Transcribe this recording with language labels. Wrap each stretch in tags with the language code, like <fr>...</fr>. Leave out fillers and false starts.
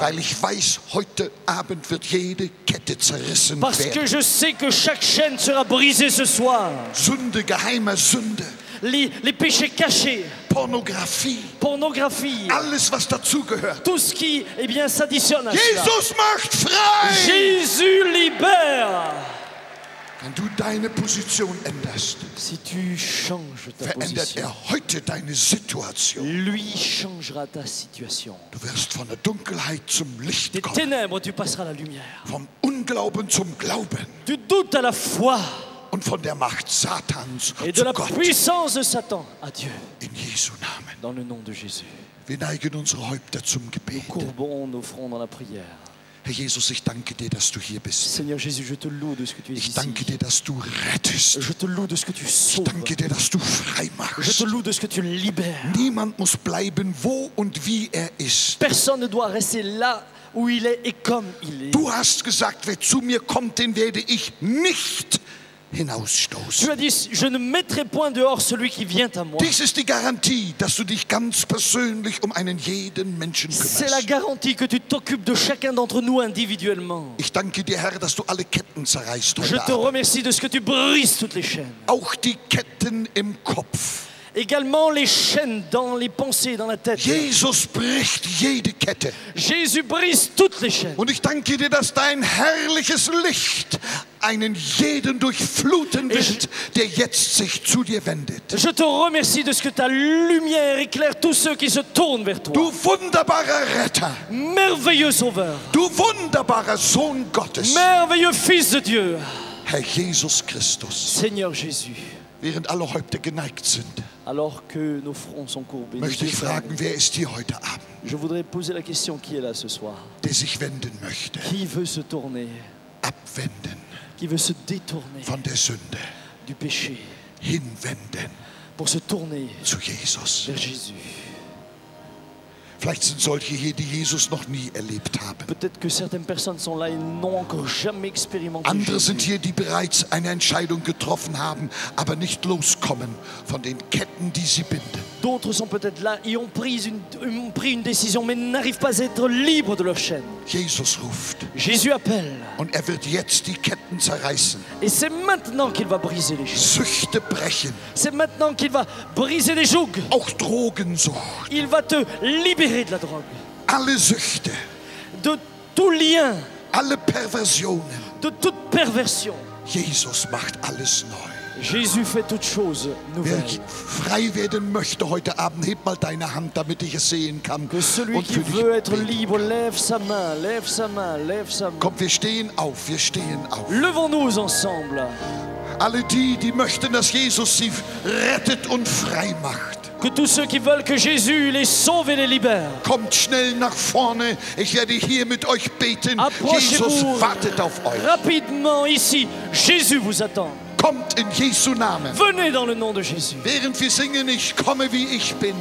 <de>Weil ich weiß, heute Abend wird jede Kette zerrissen</de> <fr>Parce que je sais que chaque chaîne sera brisée ce soir.</fr> <de>Sünde, geheime Sünde.</de> <fr>Les péchés cachés.</fr> <de>Pornographie. Alles, was dazugehört.</de> <fr>Tout ce qui, eh bien, s'additionne à</fr> <de>Jesus</de> <fr>cela.</fr> <de>Macht frei.</de> <fr>Jésus libère.</fr> <de>Wenn du deine Position änderst,</de> <fr>si tu changes ta</fr> <de>verändert</de> <fr>position,</fr> <de>er heute deine Situation.</de> <fr>Lui changera ta situation.</fr> <de>Du wirst von der Dunkelheit zum Licht</de> <fr>des</fr> <de>kommen.</de> <fr>Ténèbres, tu passeras la lumière.</fr> <de>Vom Unglauben zum Glauben.</de> <fr>Du doute à la foi.</fr> <de>Und von der Macht Satans</de> <fr>et</fr> <de>zu</de> <fr>de la</fr> <de>Gott.</de> <fr>Puissance de Satan à Dieu.</fr> <de>In Jesu Namen.</de> <fr>Dans le nom de Jésus.</fr> <de>Wir neigen unsere Häupter zum Gebet.</de> <fr>Nous courbons nos fronts dans la prière.</fr> <de>Herr Jesus, ich danke dir, dass du hier bist.</de> <fr>Seigneur Jésus, je te loue de ce que tu es</fr> <de>ich</de> <fr>ici.</fr> <de>Ich danke dir, dass du rettest.</de> <fr>Je te loue de ce que tu sauves.</fr> <de>Ich danke dir, dass du frei machst.</de> <fr>Je te loue de ce que tu libères.</fr> <de>Niemand muss bleiben, wo und wie er ist.</de> <fr>Personne ne doit rester là où il est et comme il est.</fr> <de>Du hast gesagt, wer zu mir kommt, den werde ich nicht hinausstoßen.</de> <fr>Tu as dit, je ne mettrai point dehors celui qui vient à moi.</fr> <de>Dies ist die Garantie, dass du dich ganz persönlich einen jeden Menschen kümmerst.</de> <fr>C'est la garantie que tu t'occupes de chacun d'entre nous individuellement.</fr> <de>Ich danke dir, Herr, dass du alle Ketten zerreißt.</de> <fr>Je te remercie de ce que tu brises toutes les chaînes.</fr> <de>Auch die Ketten im Kopf.</de> <fr>Également les chaînes dans les pensées, dans la tête.</fr> <de>Jesus bricht jede Kette.</de> <fr>Jésus brise toutes les chaînes.</fr> <de>Und ich danke dir, dass dein herrliches Licht einen jeden durchfluten wird, der jetzt sich zu dir wendet.</de> <fr>Je te remercie de ce que ta lumière éclaire tous ceux qui se tournent vers toi.</fr> <de>Du wunderbarer Retter.</de> <fr>Merveilleux Sauveur.</fr> <de>Du wunderbarer Sohn Gottes.</de> <fr>Merveilleux Fils de Dieu.</fr> <de>Herr Jesus Christus.</de> <fr>Seigneur Jésus.</fr> <de>Während alle Häupter geneigt sind,</de> <fr>alors que nos fronts sont courbés,</fr> <de>möchte ich fragen, wer ist hier heute Abend?</de> <fr>Je voudrais poser la question, qui est là ce soir?</fr> <de>Der sich wenden möchte.</de> <fr>Qui veut se tourner?</fr> <de>Abwenden.</de> <fr>Qui veut se détourner?</fr> <de>Von der Sünde.</de> <fr>Du péché.</fr> <de>Hinwenden.</de> <fr>Pour se tourner.</fr> <de>Zu Jesus.</de> <fr>Vers Jésus.</fr> <de>Vielleicht sind solche hier, die Jesus noch nie erlebt haben.</de> <fr>Peut-être que certaines personnes sont là et n'ont encore jamais expérimenté.</fr> <de>Andere sind hier, die bereits eine Entscheidung getroffen haben, aber nicht loskommen von den Ketten, die sie binden.</de> <fr>D'autres sont peut-être là et ont pris une décision, mais n'arrivent pas à être libres de leurs chaînes.</fr> <de>Jesus ruft.</de> <fr>Jésus appelle.</fr> <de>Und er wird jetzt die Ketten zerreißen.</de> <fr>Et c'est maintenant qu'il va briser les chaînes.</fr> <de>Süchte brechen.</de> <fr>C'est maintenant qu'il va briser les jougs.</fr> <de>Auch Drogensucht.</de> <fr>Il va te libérer de la drogue.</fr> <de>Alle Süchte.</de> <fr>De tout lien.</fr> <de>Alle Perversionen.</de> <fr>De toute perversion.</fr> <de>Jesus macht alles neu.</de> <fr>Jésus fait toute chose nouvelle.</fr> <de>Wer frei werden möchte heute Abend, heb mal deine Hand, damit ich es sehen kann.</de> <fr>Que celui qui veut être libre, lève sa main, lève sa main, lève sa main.</fr> <de>Komm, wir stehen auf, wir stehen auf.</de> <fr>Levons-nous ensemble.</fr> <de>Alle die möchten, dass Jesus sie rettet und frei macht.</de> <fr>Que tous ceux qui veulent que Jésus les sauve et les libère.</fr> <de>Kommt schnell nach vorne, ich werde hier mit euch beten.</de> <fr>Approchez-vous.</fr> <de>Jesus wartet auf euch.</de> <fr>Rapidement ici, Jésus vous attend.</fr> <de>Kommt in Jesu Namen.</de> <fr>Venez dans le nom de Jésus.</fr> <de>Während wir singen, ich komme wie ich bin.</de>